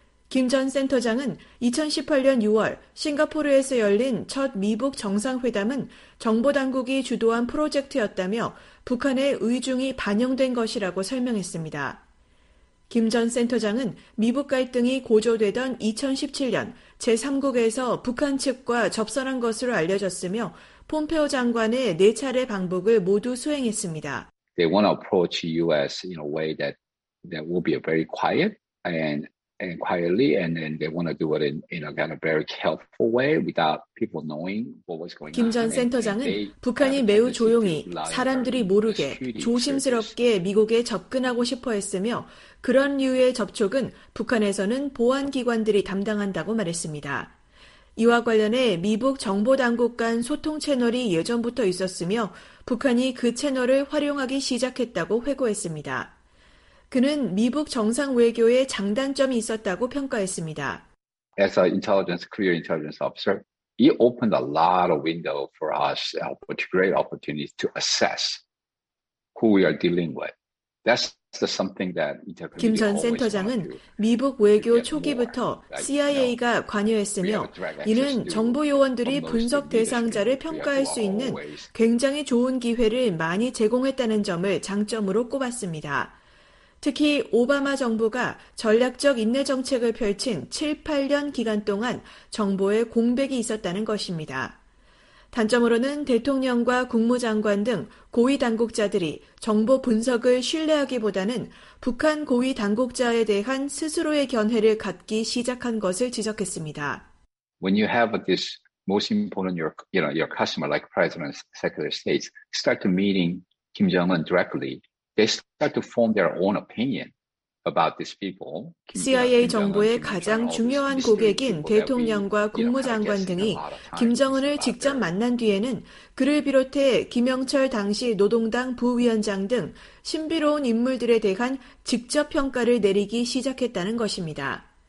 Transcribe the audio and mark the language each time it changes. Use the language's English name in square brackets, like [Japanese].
[Korean] 김 전 센터장은 2018년 6월 싱가포르에서 열린 첫 미북 정상회담은 정보당국이 주도한 프로젝트였다며 북한의 의중이 반영된 것이라고 설명했습니다. 김 전 센터장은 미북 갈등이 고조되던 2017년 제3국에서 북한 측과 접선한 것으로 알려졌으며 폼페오 장관의 네 차례 방북을 모두 수행했습니다. [English] They want to approach U.S. in a way that will be a very quiet and quietly, and then they want to do it in a kind of very careful way without people knowing what was going on. [Korean] 김 전 센터장은 북한이 매우 조용히 사람들이 모르게 조심스럽게 미국에 접근하고 싶어 했으며 그런 류의 접촉은 북한에서는 보안기관들이 담당한다고 말했습니다. 이와 관련해 미북 정보당국 간 소통 채널이 예전부터 있었으며 북한이 그 채널을 활용하기 시작했다고 회고했습니다. 그는 미북 정상 외교의 장단점이 있었다고 평가했습니다. [English] As an intelligence, career intelligence officer, he opened a lot of window for us, which great opportunities to assess who we are dealing with. That's something that intelligence always [Korean] 김 전 센터장은 미북 외교 초기부터 CIA가 관여했으며 이는 정부 요원들이 분석 대상자를 평가할 수 있는 굉장히 좋은 기회를 많이 제공했다는 점을 장점으로 꼽았습니다. 특히 오바마 정부가 전략적 인내 정책을 펼친 7, 8년 기간 동안 정보의 공백이 있었다는 것입니다. 단점으로는 대통령과 국무장관 등 고위 당국자들이 정보 분석을 신뢰하기보다는 북한 고위 당국자에 대한 스스로의 견해를 갖기 시작한 것을 지적했습니다. [English] When you have this most important your customer like President Secretary of State start meeting Kim Jong-un directly, they start to form their own opinion about these people. [Korean] CIA 정부의 가장 중요한 고객인 대통령과 국무장관 등이 김정은을 직접 만난 뒤에는 그를 비롯해 김영철 당시 노동당 부위원장 등 신비로운 인물들에 대한 직접 평가를 내리기 시작했다는 것입니다.